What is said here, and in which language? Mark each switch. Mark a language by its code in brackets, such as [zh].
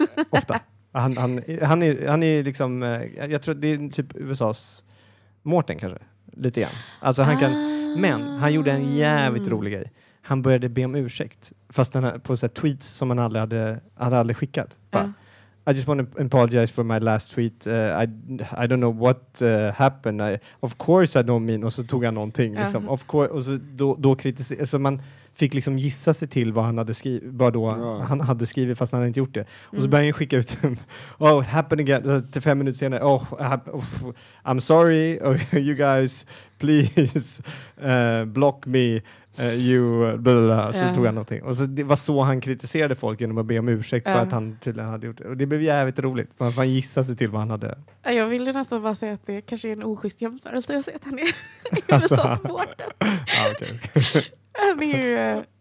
[sv] Ofta. Han är liksom, jag tror det är typ USAs Mårten kanske. Lite igen. Alltså han kan, men han gjorde en jävligt rolig grej. Han började be om ursäkt. Fast den här, på så här tweets som han aldrig hade skickat. [en] I just want to apologize for my last tweet. I don't know what happened. Of course I don't mean. [sv] Och så tog han någonting. Liksom. [en] Of course, [sv] och så då kritiserade. Så man fick liksom gissa sig till vad han hade skrivit. Vad då han hade skrivit fast han hade inte gjort det. Och så började han skicka ut. [en] Oh, happened again. [sv] Till 5 minuter senare. [en] Oh, I'm sorry. Oh, you guys, please block me. [sv] Så tog han någonting. Och så det var så han kritiserade folk genom att be om ursäkt för att han tydligen hade gjort det. Och det blev jävligt roligt. Man gissade sig till vad han hade. Jag ville nästan bara säga att det kanske är en oschysst jämförelse. Jag ser att han är så svårt. Okay.